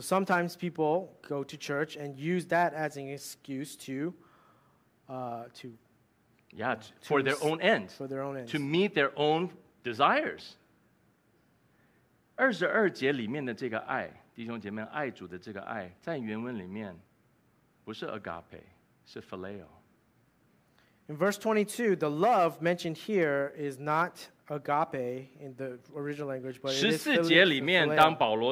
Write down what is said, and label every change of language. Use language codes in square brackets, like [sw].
[en] sometimes people go to church and use that as an excuse to for their own ends, to meet their own desires. [zh] 22节里面的这个爱，弟兄姐妹，爱主的这个爱，在原文里面。不是 agape, 是 phileo. [en] In verse 22, the love mentioned here is not agape in the original language, but it is phileo.